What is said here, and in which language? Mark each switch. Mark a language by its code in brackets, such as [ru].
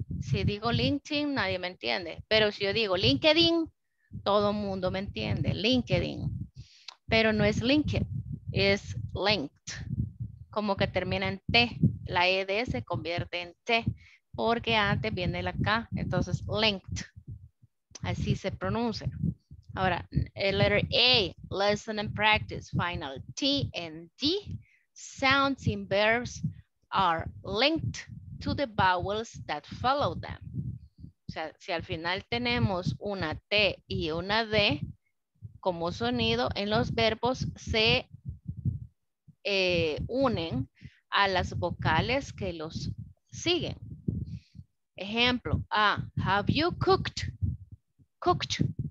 [es] Si digo LinkedIn, nadie me entiende. Pero si yo digo LinkedIn, todo mundo me entiende, LinkedIn. Pero no es linked, es linked. Como que termina en T, la ED se convierte en T, porque antes viene la K, entonces linked, así se pronuncia. Ahora, el [en] letter A, listen and practice, final T and D, sounds in verbs are linked to the vowels that follow them. [es] O sea, si al final tenemos una T y una D como sonido, en los verbos se unen a las vocales que los siguen. Ejemplo, [en] have you cooked? Cooked.